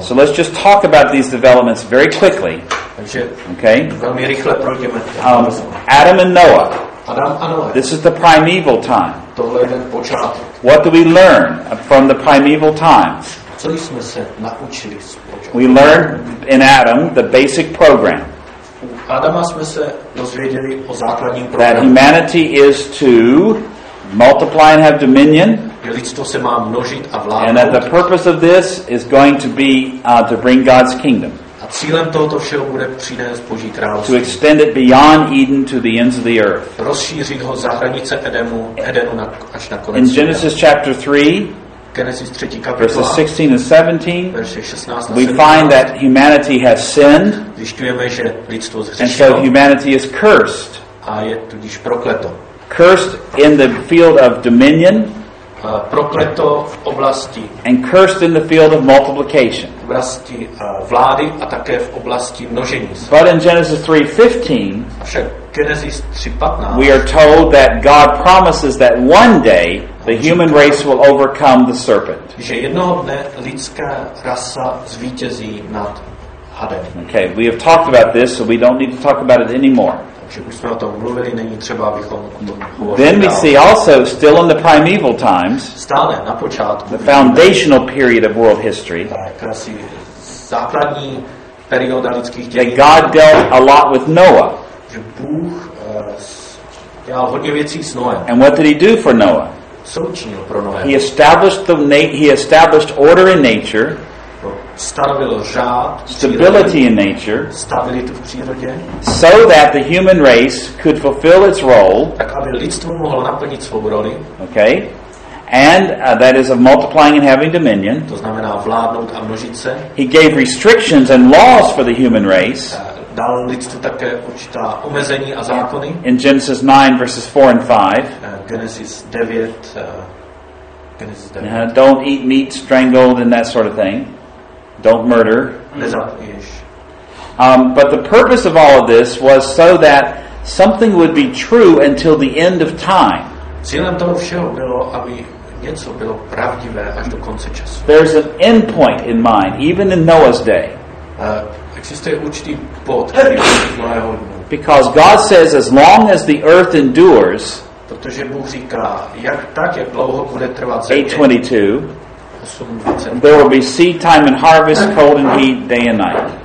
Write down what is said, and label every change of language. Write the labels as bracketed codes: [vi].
[en] So let's just talk about these developments very quickly. [cs] Takže okay. Velmi rychle projdeme. [en] Adam and Noah. [cs] Adam a Noé. [en] This is the primeval time. [cs] Tohle je ten počátek. [en] What do we learn from the primeval times? [cs] Co jsme se naučili z počátku? [en] We learned in Adam the basic program. [cs] U Adama jsme se dozvěděli o základním programu. [en] That humanity is to multiply and have dominion. [cs] Že lidstvo se má množit a vládnout. [en] And that the purpose of this is going to be to bring God's kingdom. [cs] A cílem tohoto všeho bude přinést Boží království. [en] To extend it beyond Eden to the ends of the earth. [cs] Rozšířit ho za hranice Edenu až na konec. [en] In Genesis chapter 3, [cs] Genesis 3. kapitola, [en] verses 16 and 17, [cs] verše 16 a 17, [en] we find that humanity has sinned. [cs] Zjišťujeme, že lidstvo zhřešilo. [en] And so humanity is cursed. [cs] A je tudíž prokleto. [en] Cursed in the field of dominion. [cs] Prokleto v oblasti. [en] And cursed in the field of multiplication. [cs] V oblasti vlády a také v oblasti množení. [en] But in Genesis 3:15, [cs] však Genesis 3:15, [en] we are told that God promises that one day the human race will overcome the serpent. [cs] Že jednoho dne lidská rasa zvítězí nad hadem. [en] Okay, we have talked about this, so we don't need to talk about it anymore. [cs] že už jsme o tom mluvili, není třeba, abychom o tom hovořili. [en] Then we see also still in the primeval times, [cs] stále na počátku, [en] the foundational period of world history, [cs] základní perioda lidských dějin, [en] that God dealt a lot with Noah. [cs] Že Bůh dělal hodně věcí s Noem. [en] And what did he do for Noah? [cs] Co učinil pro Noé? [en] He established order in nature, [cs] stavil řád, [en] stability in nature, [cs] stabilitu v přírodě, [en] so that the human race could fulfill its role, [cs] tak aby lidstvo mohlo naplnit svou roli, [en] okay, and that is of multiplying and having dominion, [cs] to znamená vládnout a množit se. [en] He gave restrictions and laws for the human race, [cs] dal lidstvu také určitá omezení a zákony. [en] In Genesis 9 verses 4 and 5, [cs] Genesis 9. [en] Don't eat meat strangled and that sort of thing. Don't murder. But the purpose of all of this was so that something would be true until the end of time. [cs] Cílem toho všeho bylo, aby něco bylo pravdivé až do konce času. [en] There's an end point in mind, even in Noah's day. [cs] Existuje určitý bod, který je v Noého dnu. [en] Because God says, as long as the earth endures, [cs] protože Bůh říká, jak dlouho bude trvat země. [en] 8:22. There will be seed time and harvest, cold and heat, day and night.